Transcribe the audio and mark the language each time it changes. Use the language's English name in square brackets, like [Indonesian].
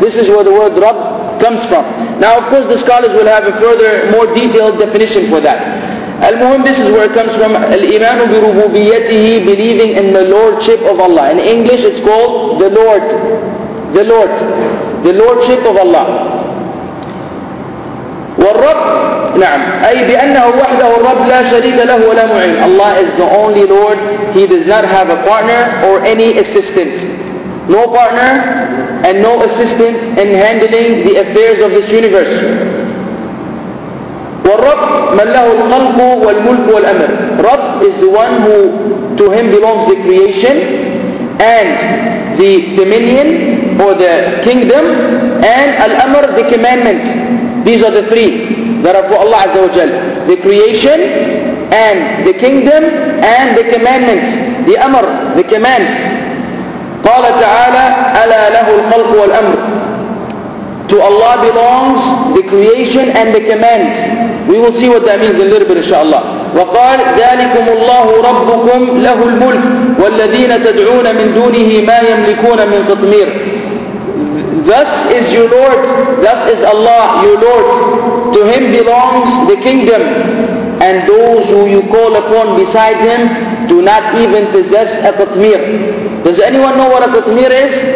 [English] This is where the word Rabb comes from. Now of course the scholars will have a further, more detailed definition for that. Al-Muhim, this is where it comes from. Al-Iman bi rububiyyatihi, believing in the Lordship of Allah. In English it's called the Lord. The Lord. The Lordship of Allah. [Arabic] والرب نعم أي بأنه وحده الرب لا شريك له ولا معين. [English] Allah is the only Lord. He does not have a partner or any assistant. No partner and no assistant in handling the affairs of this universe. [Arabic] والرب من له الخلق والملك والأمر. [English] رب is the one who, to him belongs the creation and the dominion or the kingdom, and الأمر the commandment. These are the three that are for Allah Azza wa Jal. The creation and the kingdom and the commandments. The amr, the command. [Arabic] قال تعالى ألا له الخلق والأمر. [English] To Allah belongs the creation and the command. We will see what that means in a little bit inshaAllah. [Arabic] وقال ذلكم الله ربكم له الملك والذين تدعون من دونه ما يملكون من قطمير. [English] Thus is your Lord, thus is Allah, your Lord. To Him belongs the kingdom, and those who you call upon beside Him do not even possess a qatmir. Does anyone know what a qatmir is?